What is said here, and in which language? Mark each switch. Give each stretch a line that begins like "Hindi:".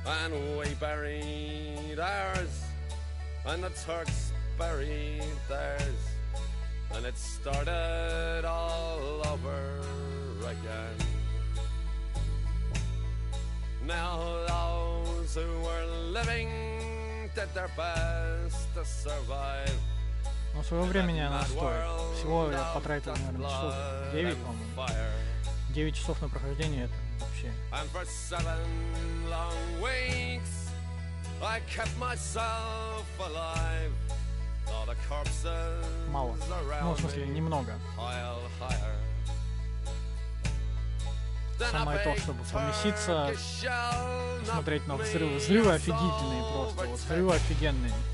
English: And we buried ours, and the Turks buried theirs, and it started all over again. Now those who were living did their best to survive.
Russian: Но своего времени она стоит. Всего я потратил, наверное, часов 9, по-моему. 9 часов на прохождение это.
English: And for 7 long weeks I kept myself alive. All the corpses around me piled higher.
Russian: самое то, чтобы поместиться, смотреть на взрывы. Взрывы офигительные просто, вот взрывы офигенные.